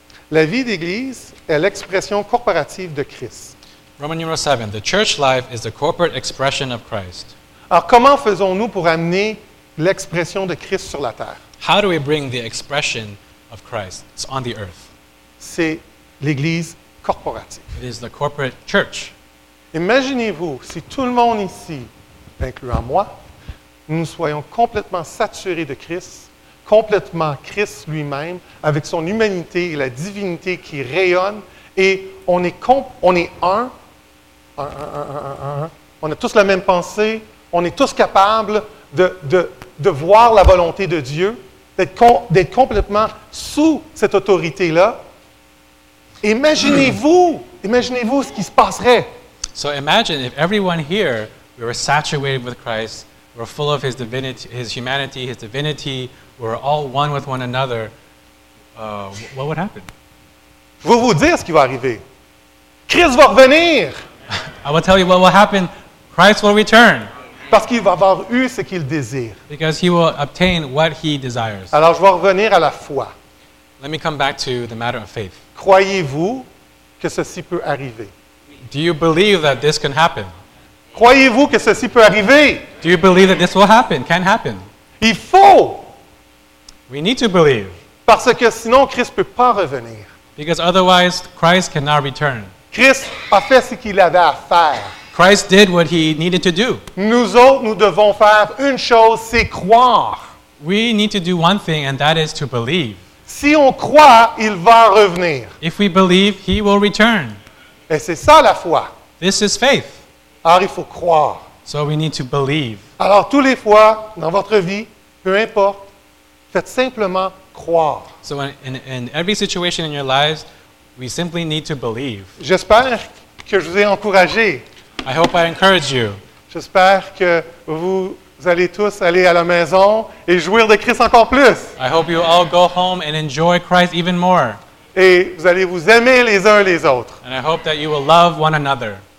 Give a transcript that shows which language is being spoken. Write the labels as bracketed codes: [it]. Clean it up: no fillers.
[fr] La vie d'église est l'expression corporative de Christ. [en] Roman numeral 7. The church life is the corporate expression of Christ. [fr] Alors, comment faisons-nous pour amener l'expression de Christ sur la terre? [en] How do we bring the expression of Christ on the earth? [fr] C'est l'église corporative. [en] It is the corporate church. [fr] Imaginez-vous si tout le monde ici, incluant moi, nous soyons complètement saturés de Christ, complètement Christ lui-même, avec son humanité et la divinité qui rayonne, et on est un, on a tous la même pensée, on est tous capables de voir la volonté de Dieu. d'être complètement sous cette autorité-là. Imaginez-vous ce qui se passerait. [en] So imagine if everyone here, we were saturated with Christ, we were full of his divinity, his humanity, his divinity, we were all one with one another, what would happen? [fr] Je vais vous dire ce qui va arriver. Christ va revenir. [en] I will tell you what will happen. Christ will return. [fr] Parce qu'il va avoir eu ce qu'il désire. [en] Because he will obtain what he desires. [fr] Alors je vais revenir à la foi. [en] Let me come back to the matter of faith. [fr] Croyez-vous que ceci peut arriver? [en] Do you believe that this can happen? [fr] Croyez-vous que ceci peut arriver? [en] Do you believe that this will happen? Can happen? [fr] Il faut. [en] We need to believe. [fr] Parce que sinon Christ peut pas revenir. [en] Because otherwise Christ cannot return. [fr] Christ a fait ce qu'il avait à faire. [en] Christ did what he needed to do. [fr] Nous autres, nous devons faire une chose, c'est croire. [en] We need to do one thing, and that is to believe. [fr] Si on croit, il va revenir. [en] If we believe, he will return. [fr] Et c'est ça la foi. [en] This is faith. [fr] Alors il faut croire. [en] So we need to believe. [fr] Alors tous les fois dans votre vie, peu importe, faites simplement croire. [en] So in every situation in your lives, we simply need to believe. [fr] J'espère que je vous ai encouragé. [en] I hope I encourage you. [fr] J'espère que vous allez tous aller à la maison et jouir de Christ encore plus. [en] I hope you all go home and enjoy Christ even more. [fr] Et vous allez vous aimer les uns les autres. [en] And I hope that you will love one another.